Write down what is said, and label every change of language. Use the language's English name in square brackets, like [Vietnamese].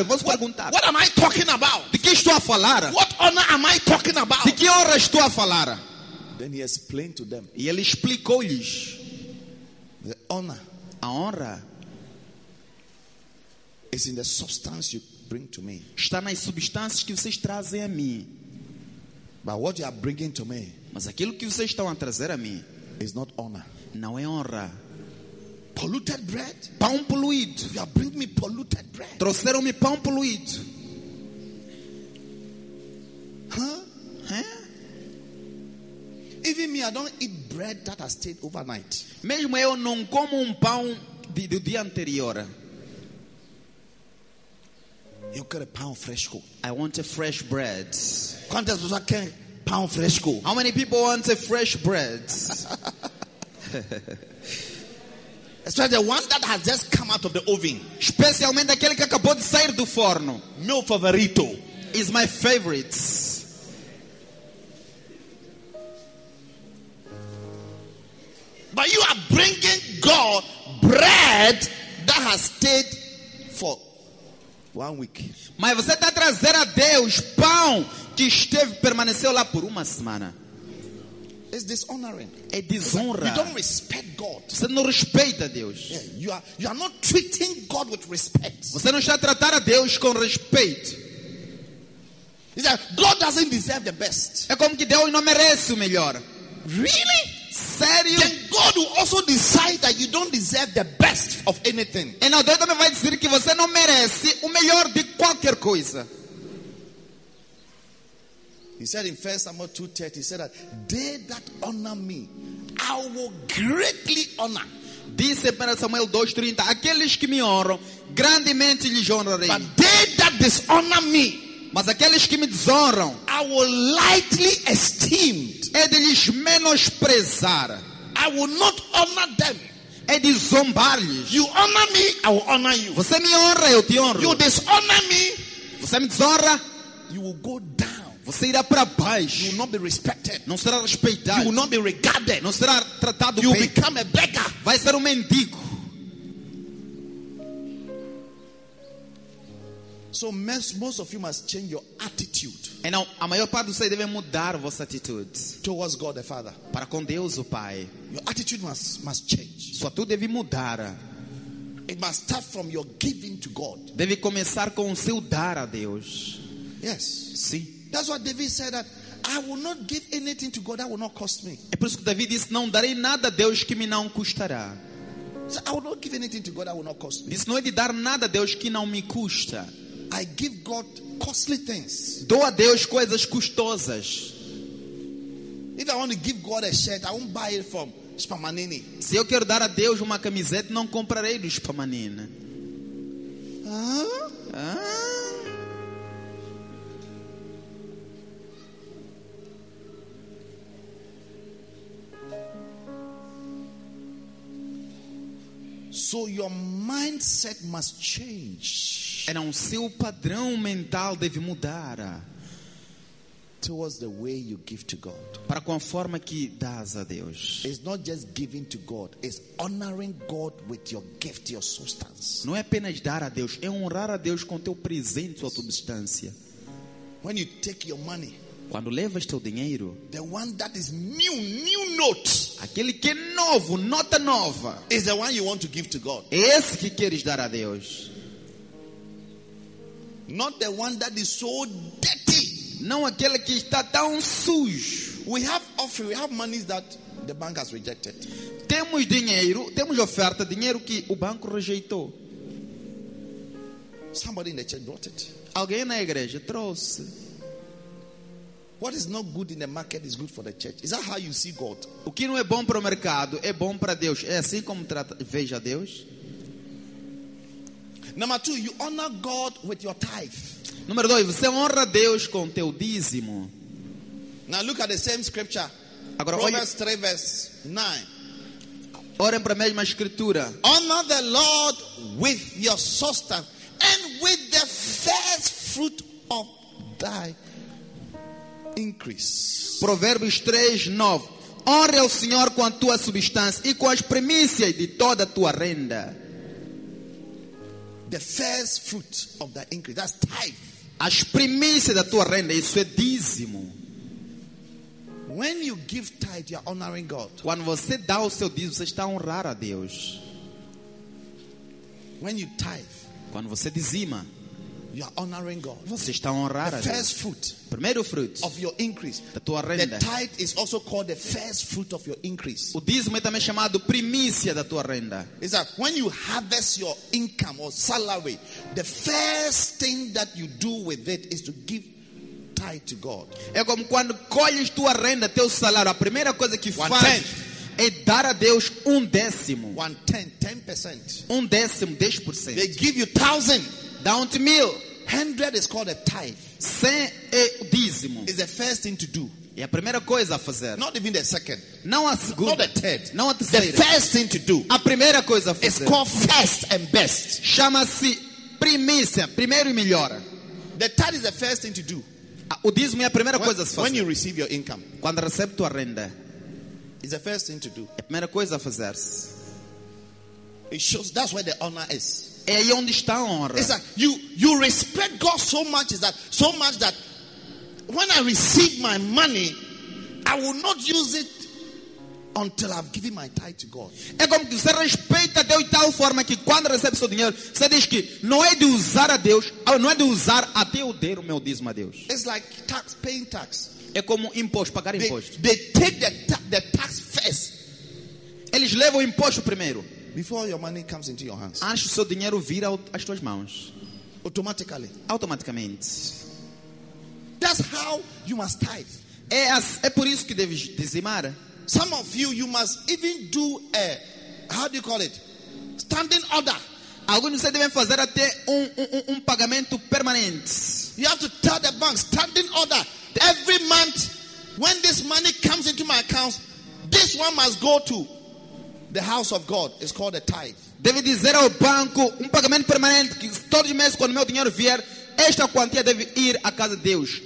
[English] What am I talking about? [Portuguese] De que estou a falar? [English] What honor am I talking about? [Portuguese] De que honra estou a falar? [English] Then he explained to them. [Portuguese] E ele explicou-lhes. [English] The honor. [Portuguese] A honra. [English] Is in the substance you bring to me. [Portuguese] Está nas substâncias que vocês trazem a mim. [English] But what you are bringing to me. [Portuguese] Mas aquilo que vocês estão a trazer a mim [English] is not honor. [Portuguese] Não é honra. [English] Polluted bread? [Portuguese] Pão poluído. [English] You are bringing me polluted bread. [Portuguese] Trouxeram-me pão poluído. [English] Even me, I don't eat bread that has stayed overnight. [Portuguese] Mesmo eu não como pão do dia anterior. [English] You got a [Portuguese] pão fresco. [English] I want a fresh bread. [Portuguese] Quantas pessoas querem? Pão fresco. [English] How many people want a fresh bread? Especially the one that has just come out of the oven. [Portuguese] Especialmente aquele que acabou de sair do forno. Meu favorito. [English] Is my favorite. But you are bringing God bread that has stayed for 1 week. [Portuguese] Mas você está trazendo a Deus pão que esteve, permaneceu lá por uma semana. [English] It's dishonoring. [Portuguese] É desonra. [English] You don't respect God. [Portuguese] Você não respeita Deus. [English] Yeah, you are not treating God with respect. [Portuguese] Você não está a tratar a Deus com respeito. [English] He said, God doesn't deserve the best. [Portuguese] É como que Deus não merece o melhor. [English] Really? [Portuguese] Sério? [English] Then God will also decide that you don't deserve the best of anything. [Portuguese] E não, Deus também vai dizer que você não merece o melhor de qualquer coisa. [English] He said in 1 Samuel 2:30, he said that they that honor me, I will greatly honor. [Portuguese] Disse para Samuel 2:30, aqueles que me honram, grandemente lhes honrarei. [English] But they that dishonor me, [Portuguese] mas aqueles que me desonram, [English] I will lightly esteem. [Portuguese] É de lhes menosprezar. [English] I will not honor them. [Portuguese] É de zombar-lhes. [English] You honor me, I will honor you. [Portuguese] Você me honra, eu te honro. [English] You dishonor me, [Portuguese] você me desonra, [English] you will go down. [Portuguese] Você irá para baixo. [English] You will not be respected. [Portuguese] Não será respeitado. [English] You will not be regarded. [Portuguese] Não será tratado [English] you [Portuguese] bem. [English] You become a beggar. [Portuguese] Vai ser mendigo. [English] So most of you must change your attitude. And now, [Portuguese] a maior parte de vocês deve mudar a vossa atitude. [English] Towards God the Father. [Portuguese] Para com Deus o Pai. [English] Your attitude must change. [Portuguese] Sua atitude deve mudar. [English] It must start from your giving to God. [Portuguese] Deve começar com o seu dar a Deus. [English] Yes. [Portuguese] Sim. [English] That's what David said, that I will not give anything to God that will not cost me. [Portuguese] É por isso que David disse, não darei nada a Deus que me não custará. [English] So I will not give anything to God that will not cost me. [Portuguese] Disse, não é de dar nada a Deus que não me custa. [English] I give God costly things. [Portuguese] Dou a Deus coisas custosas. [English] If I want to give God a shirt, I won't buy it from Spamanini. [Portuguese] Se eu quero dar a Deus uma camiseta, não comprarei do Spamanini. [English] So your mindset must change. [Portuguese] Era o seu padrão mental deve mudar. [English] Towards the way you give to God. [Portuguese] Para com a forma que dás a Deus. [English] It's not just giving to God, it's honoring God with your gift, your substance. [Portuguese] Não é apenas dar a Deus, é honrar a Deus com teu presente, tua substância. [English] When you take your money, [Portuguese] quando levas teu dinheiro, [English] the one that is new note, [Portuguese] aquele que é novo, nota nova, [English] is the one you want to give to God. [Portuguese] É esse que queres dar a Deus. [English] Not the one that is so dirty. [Portuguese] Não aquele que está tão sujo. [English] We have offering, we have monies that the bank has rejected. [Portuguese] Temos dinheiro, temos oferta, dinheiro que o banco rejeitou. [English] Somebody in the church brought it. [Portuguese] Alguém na igreja trouxe. [English] What is not good in the market is good for the church. Is that how you see God? [Portuguese] O que não é bom para o mercado é bom para Deus. É assim como trata, veja Deus. [English] Number two, you honor God with your tithe. [Portuguese] Número dois, você honra Deus com teu dízimo. [English] Now look at the same scripture. [Portuguese] Agora, [English] Romans 3 verse 9. [Portuguese] Orem para a mesma escritura. [English] Honor the Lord with your substance and with the first fruit of thy increase. [Portuguese] Provérbios 3, 9. Honre ao Senhor com a tua substância e com as primícias de toda a tua renda. [English] The first fruit of the increase, that's tithe. [Portuguese] As primícias da tua renda, isso é dízimo. [English] When you give tithe, you are honoring God. [Portuguese] Quando você dá o seu dízimo, você está a honrar a Deus. [English] When you tithe, [Portuguese] quando você dizima, [English] you are honoring God. [Portuguese] Você está a honrar [English] the [Portuguese] a Deus. [English] First fruit, [Portuguese] primeiro fruto [English] of your increase, [Portuguese] da tua renda. [English] The tithe is also called the first fruit of your increase. [Portuguese] O dízimo é também chamado primícia da tua renda. [English] Is that when you harvest your income or salary, the first thing that you do with it is to give tithe to God. [Portuguese] É como quando colhes tua renda, teu salário, a primeira coisa que faz é dar a Deus um décimo. [English] One tenth, 10%. [Portuguese] Um décimo, 10%. [English] They give you 1,000. [Portuguese] Down to mil. [English] 100 is called a tithe. [Portuguese] 100 é o dízimo. [English] Is the first thing to do. [Portuguese] É a primeira coisa a fazer. [English] Not even the second. [Portuguese] Não a segunda. [English] Not the third. [Portuguese] Não a terceira. [English] The first thing to do. [Portuguese] A primeira coisa a fazer. [English] It's called first and best. [Portuguese] Chama-se primícia, primeiro e melhor. [English] The tithe is the first thing to do. [Portuguese] O dízimo é a primeira coisa a fazer. [English] When you receive your income. [Portuguese] Quando recebe tua renda. [English] Is the first thing to do. [Portuguese] É a primeira coisa a fazer. [English] It shows that's where the honor is. [Portuguese] É aí onde está a honra. [English] It's like you respect God so much, is that so much that when I receive my money, I will not use it until I've given my tithe to God. [Portuguese] É como que você respeita Deus de tal forma que quando recebe seu dinheiro, você diz que não é de usar a Deus, não é de usar até eu der o meu dízimo a Deus. [English] It's like tax, paying tax. [Portuguese] É como imposto, pagar imposto. [English] They take the tax first. [Portuguese] Eles levam o imposto primeiro. [English] Before your money comes into your hands. [Portuguese] Antes do seu dinheiro vir às tuas mãos. [English] Automatically. [Portuguese] Automaticamente. [English] That's how you must tithe. [Portuguese] É por isso que deves dizimar. [English] Some of you must even do a, how do you call it, standing order. [Portuguese] Alguns de vocês devem fazer até um pagamento permanente. [English] You have to tell the bank standing order. Every month, when this money comes into my accounts, this one must go to the house of God. It's called a tithe. [Portuguese] Deve dizer ao banco um pagamento permanente que todo mês quando meu dinheiro vier, esta quantia deve ir à casa de Deus.